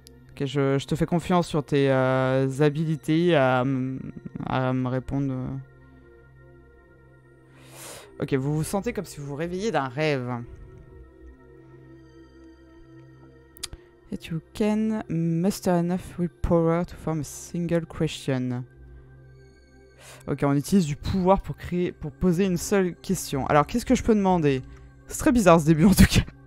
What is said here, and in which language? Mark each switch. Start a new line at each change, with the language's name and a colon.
French: Ok, je te fais confiance sur tes habilités à me répondre. Ok, vous vous sentez comme si vous vous réveilliez d'un rêve.
English: That you can muster enough willpower to form a single question.
French: Ok, on utilise du pouvoir pour créer, pour poser une seule question. Alors, qu'est-ce que je peux demander ? C'est très bizarre ce début en tout cas.